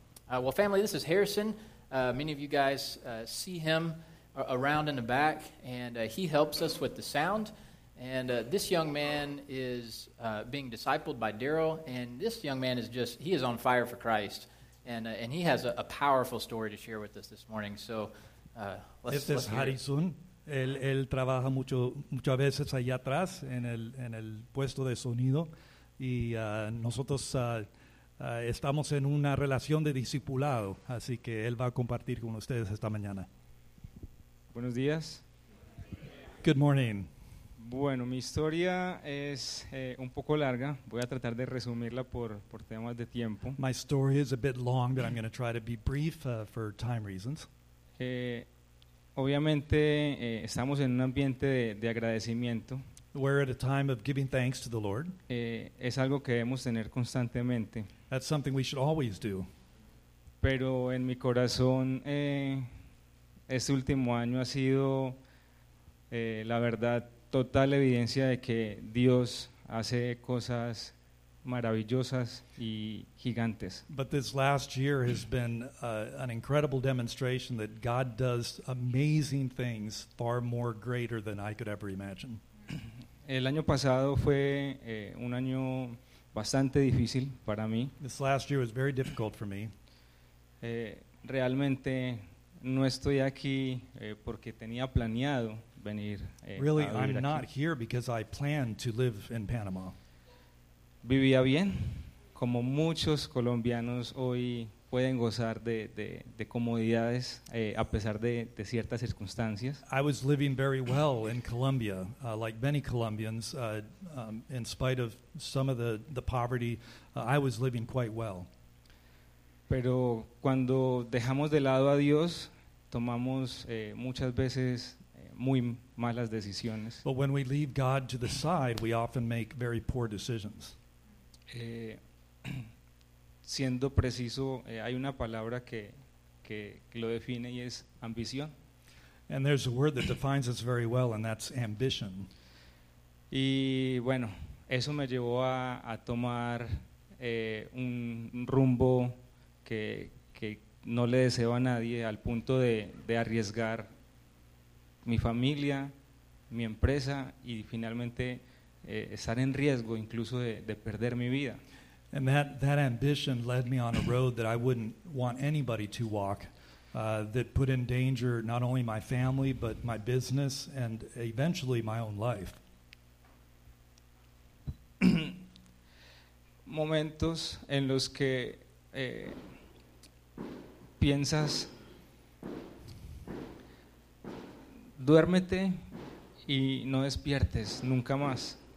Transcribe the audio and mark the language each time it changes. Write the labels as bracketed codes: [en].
[en] Well, family, this is Harrison. Many of you guys see him around in the back, and he helps us with the sound. And this young man is being discipled by Daryl, and this young man is just, he is on fire for Christ, and he has a powerful story to share with us this morning. So let's hear Harrison. [es] Él trabaja muchas veces allá atrás en el puesto de sonido, y nosotros estamos en una relación de discipulado, así que él va a compartir con ustedes esta mañana. Buenos días. [en] Good morning. [es] Bueno, mi historia es un poco larga. Voy a tratar de resumirla por temas de tiempo. [en] My story is a bit long, but I'm going to try to be brief for time reasons. [es] Obviamente, estamos en un ambiente de agradecimiento. [en] We're at a time of giving thanks to the Lord. [es] Es algo que debemos tener constantemente. [en] That's something we should always do. [es] Pero en mi corazón, este último año ha sido, la verdad, total evidencia de que Dios hace cosas maravillosas y gigantes. [en] But this last year has been an incredible demonstration that God does amazing things far more greater than I could ever imagine. [es] El año pasado fue un año bastante difícil para mí. [en] This last year was very difficult for me. [es] Realmente no estoy aquí porque tenía planeado venir. [en] Really, I'm [es] aquí. [en] Not here because I plan to live in Panama. [es] Vivía bien, como muchos colombianos hoy pueden gozar de comodidades a pesar de ciertas circunstancias. [en] I was living very well in Colombia, like many Colombians, in spite of some of the poverty, I was living quite well. [es] Pero cuando dejamos de lado a Dios, tomamos muchas veces muy malas decisiones. [en] But when we leave God to the side, we often make very poor decisions. [es] Siendo preciso, hay una palabra que lo define y es ambición. [en] And there's a word that defines us very well, and that's ambition. [es] Y bueno, eso me llevó a tomar un rumbo que no le deseo a nadie, al punto de arriesgar mi familia, mi empresa, y finalmente estar en riesgo incluso de perder mi vida. [en] And that ambition led me on a road that I wouldn't want anybody to walk, that put in danger not only my family, but my business, and eventually my own life. [es] Momentos en los que piensas, duérmete y no despiertes nunca más.